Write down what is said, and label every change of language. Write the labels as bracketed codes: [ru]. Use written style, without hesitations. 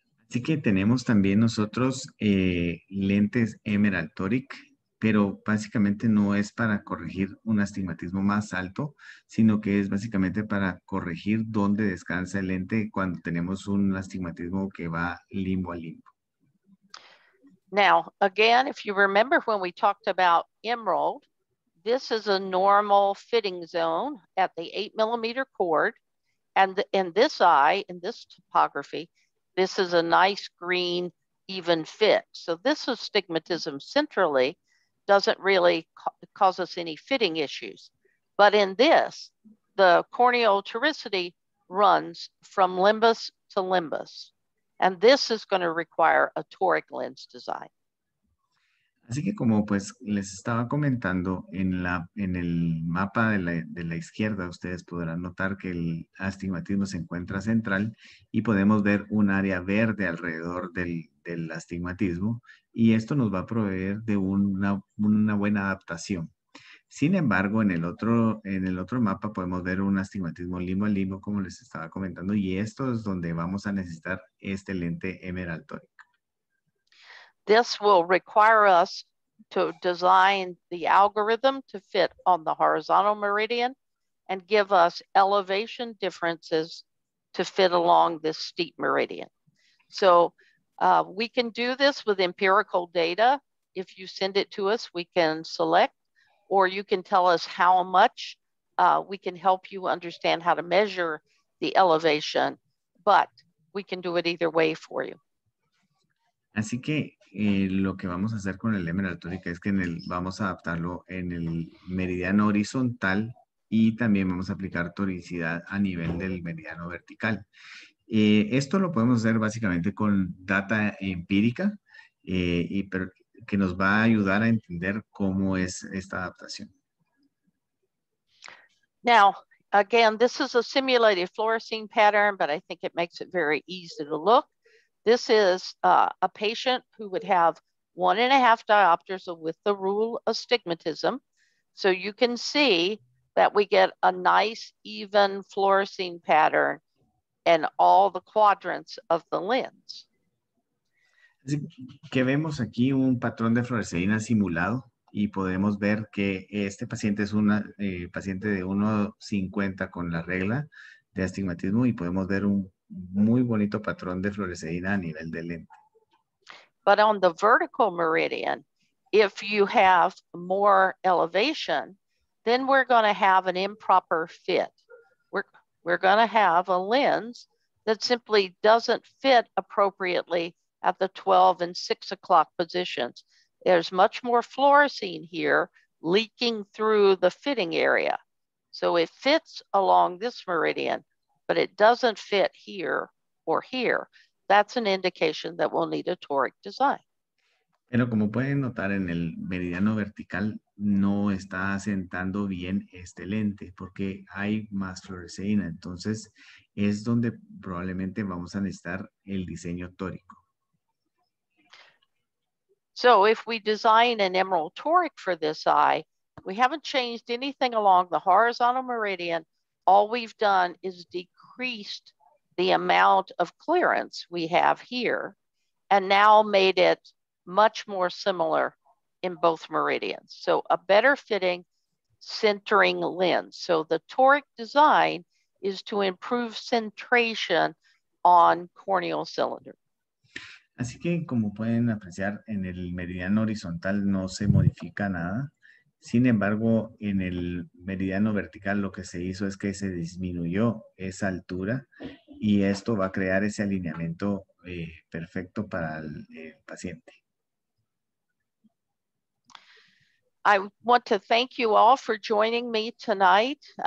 [es] Así que tenemos también nosotros lentes emerald toric, pero básicamente no es para corregir un astigmatismo más alto, sino que es básicamente para corregir dónde descansa el lente cuando tenemos un astigmatismo que va limbo a limbo. [en] Now, again, if you remember when we talked about emerald, this is a normal fitting zone at the 8mm cord. And in this eye, in this topography, this is a nice green, even fit. So this astigmatism centrally doesn't really cause us any fitting issues. But in this, the corneal ptericity runs from limbus to limbus. And this is going to require a toric lens design. [es] Así que como pues les estaba comentando en el mapa de la izquierda, ustedes podrán notar que el astigmatismo se encuentra central y podemos ver un área verde alrededor del astigmatismo y esto nos va a proveer de una buena adaptación. Sin embargo, en el otro mapa podemos ver un astigmatismo limbo a limbo, como les estaba comentando, y esto es donde vamos a necesitar este lente emerald toric. [en] This will require us to design the algorithm to fit on the horizontal meridian and give us elevation differences to fit along this steep meridian. So we can do this with empirical data. If you send it to us, we can select. Or you can tell us how much we can help you understand how to measure the elevation, but we can do it either way for you. [es] Así que lo que vamos a hacer con el emerald toric es que vamos a adaptarlo en el meridiano horizontal y también vamos a aplicar toricidad a nivel del meridiano vertical. Esto lo podemos hacer básicamente con data empírica que nos va a ayudar a entender cómo es esta adaptación. [en] Now, again, this is a simulated fluorescein pattern, but I think it makes it very easy to look. This is a patient who would have 1.5 diopters with the rule of astigmatism. So you can see that we get a nice even fluorescein pattern in all the quadrants of the lens. [es] Que vemos aquí un patrón de fluorescein simulado y podemos ver que este paciente es un paciente de 1.50 con la regla de astigmatismo y podemos ver un muy bonito patrón de fluorescein a nivel de lente. [en] But on the vertical meridian, if you have more elevation, then we're going to have an improper fit. We're going to have a lens that simply doesn't fit appropriately at the 12 and 6 o'clock positions. There's much more fluorescein here leaking through the fitting area. So it fits along this meridian, but it doesn't fit here or here. That's an indication that we'll need a toric design. [es] Pero como pueden notar en el meridiano vertical, no está asentando bien este lente porque hay más fluorescein. Entonces es donde probablemente vamos a necesitar el diseño tórico. [en] So if we design an emerald toric for this eye, we haven't changed anything along the horizontal meridian. All we've done is decreased the amount of clearance we have here and now made it much more similar in both meridians. So a better fitting centering lens. So the toric design is to improve centration on corneal cylinder. [es] Así que como pueden apreciar, en el meridiano horizontal no se modifica nada. Sin embargo, en el meridiano vertical lo que se hizo es que se disminuyó esa altura y esto va a crear ese alineamiento perfecto para el paciente. [en] I want to thank you all for joining me tonight.